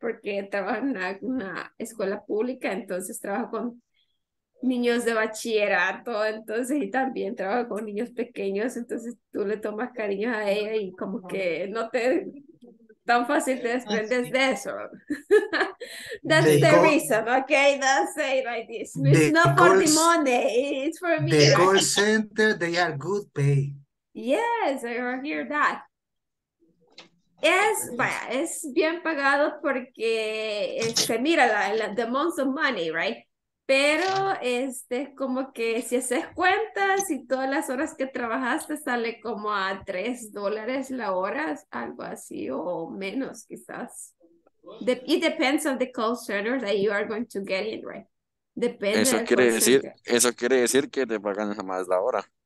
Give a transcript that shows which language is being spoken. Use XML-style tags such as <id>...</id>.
<es>Porque trabajo en una escuela pública, entonces trabajo con niños de bachillerato, entonces, y también trabajo con niños pequeños, entonces tú le tomas cariño a ella y como que no te tan fácil te desprendes de eso.</es> <en>That's the reason, okay? That's it like this. It's not for the money, it's for me. The call center, they are good pay. Yes, I hear that.</en> <es>Es bien pagado porque se mira la</es> <en>the amount of money, right?</en> <es>Pero como que si haces cuentas y todas las horas que trabajaste sale como a $3 la hora, algo así, o menos quizás.</es> <en>It depends on the call center that you are going to get in, right?</en> <es>Depende. Eso quiere decir, que te pagan más la hora.</es>